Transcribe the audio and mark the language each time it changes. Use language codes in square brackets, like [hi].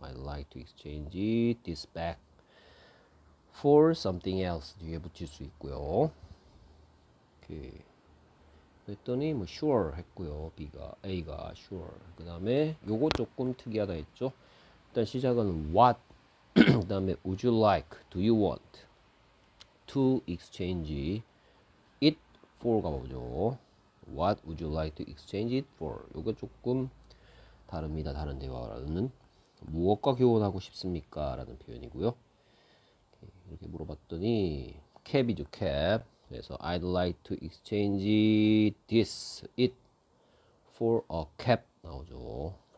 [en] I'd like to exchange this bag for something else [ko] 뒤에 붙일 수 있고요. 오케이. 그랬더니 뭐 sure 했고요. A가 sure. 그다음에 요거 조금 특이하다 했죠. 일단 시작은 what. 그다음에 [en] would you like, do you want to exchange it for [ko] 가보죠. [en] What would you like to exchange it for? [ko] 요거 조금 다릅니다. 다른 대화라는 무엇과 교환하고 싶습니까라는 표현이고요. 이렇게 물어봤더니 캡이죠, 캡. 그래서 [en] I'd like to exchange it for a cap [ko] 나오죠.